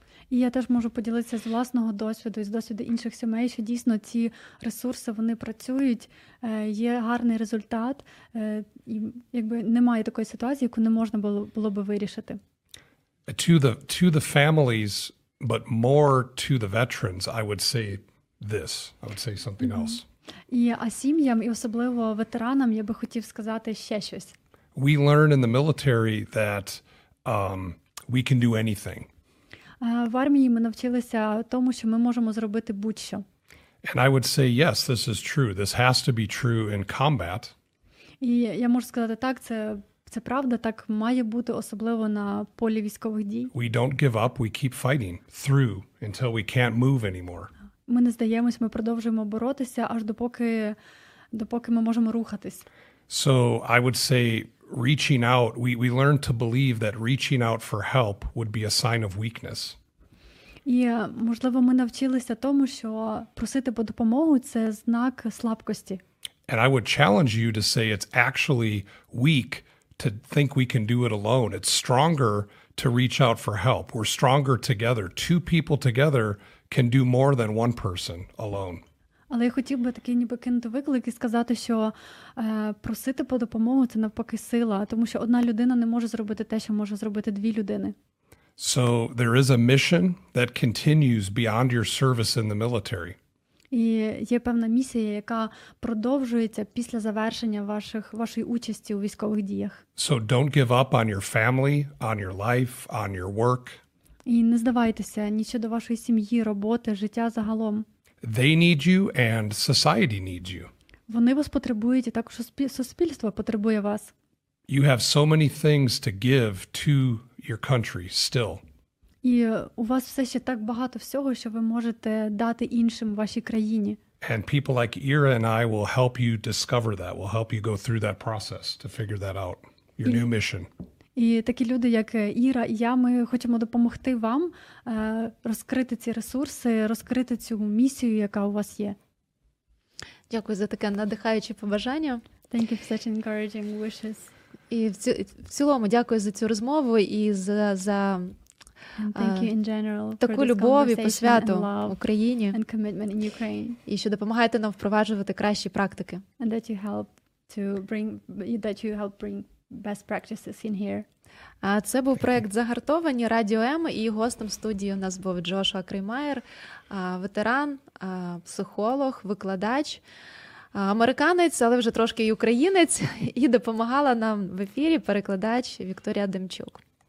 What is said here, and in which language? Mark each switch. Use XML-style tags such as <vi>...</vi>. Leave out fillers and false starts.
<uk>І я теж можу поділитися з власного досвіду і з досвіду інших сімей, що дійсно ці ресурси, вони працюють, є гарний результат, і якби немає такої ситуації, яку не можна було би вирішити.</uk> <en>To the families, but more to the veterans, I would say this. I would say something else.</en> <uk>А сім'ям і особливо ветеранам я би хотів сказати ще щось.</uk> <en>We learn in the military that we can do anything.</en> <uk>В армії ми навчилися тому, що ми можемо зробити будь-що.</uk> <en>And I would say, yes, this is true. This has to be true in combat.</en> <uk>І я можу сказати, так, це правда, так має бути, особливо на полі військових дій.</uk> <en>We don't give up, we keep fighting through until we can't move anymore.</en> <uk>Ми не здаємось, ми продовжуємо боротися, аж допоки ми можемо рухатись.</uk> <en>So I would say, reaching out, we learned to believe that reaching out for help would be a sign of weakness.</en> <uk>І, можливо, ми навчилися тому, що просити про допомогу – це знак слабкості.</uk> <en>And I would challenge you to say it's actually weak to think we can do it alone. It's stronger to reach out for help. We're stronger together. Two people together can do more than one person alone.</en> <uk>Але я хотів би такий ніби кинути виклик і сказати, що просити про допомогу – це навпаки сила, тому що одна людина не може зробити те, що може зробити дві людини.</uk> <en>So there is a mission that continues beyond your service in the military.</en> <uk>І є певна місія, яка продовжується після завершення вашої участі у військових діях.</uk> <en>So don't give up on your family, on your life, on your work.</en> <uk>І не здавайтеся ні щодо вашої сім'ї, роботи, життя загалом.</uk> <en>They need you and society needs you.</en> <uk>Вони вас потребують, і також суспільство потребує вас.</uk> <en>You have so many things to give to your country still.</en> <uk>І у вас все ще так багато всього, що ви можете дати іншим в вашій країні.</uk> <en>And people like Ira and I will help you discover that. We'll help you go through that process to figure that out. Your new mission.</en> <uk>І такі люди, як Іра і я, ми хочемо допомогти вам розкрити ці ресурси, розкрити цю місію, яка у вас є. Дякую за таке надихаюче побажання.</uk> <en>Thank you for such encouraging wishes.</en> <uk>І в цілому дякую за цю розмову і за</uk> <en>thank you in general</en> <uk>таку любов і посвяту Україні.</uk> <en>And commitment in Ukraine.</en> <uk>І що допомагаєте нам впроваджувати кращі практики.</uk> <en>And that you help to bring, that you help bring best practices in here.</en> <uk>А це був проект «Загартовані» Радіо М, і гостом студії у нас був Джошуа Креймаєр, ветеран, психолог, викладач, американець, але вже трошки і українець, і допомагала нам в ефірі перекладач Вікторія Демчук.</uk>